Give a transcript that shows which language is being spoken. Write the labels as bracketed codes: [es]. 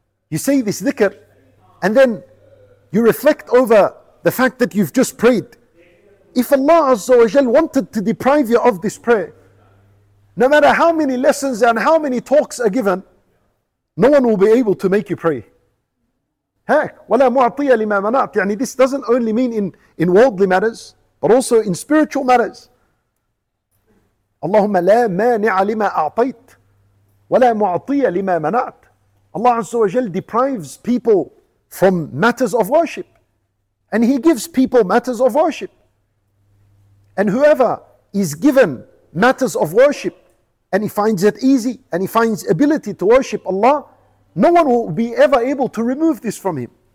[en] You say this dhikr and then you reflect over the fact that you've just prayed. If Allah Azza wa Jal wanted to deprive you of this prayer, no matter how many lessons and how many talks are given, no one will be able to make you pray. Heck, [ar] وَلَا مُعْطِيَ لِمَا مَنَعْتِ. [en] This doesn't only mean in worldly matters, but also in spiritual matters. [ar] اللهم لا مانع لما أعطيت وَلَا مُعْطِيَ لِمَا مَنَعْتِ. [en] Allah Azza wa Jal deprives people from matters of worship. And he gives people matters of worship. And whoever is given matters of worship and he finds it easy and he finds ability to worship Allah, no one will be ever able to remove this from him.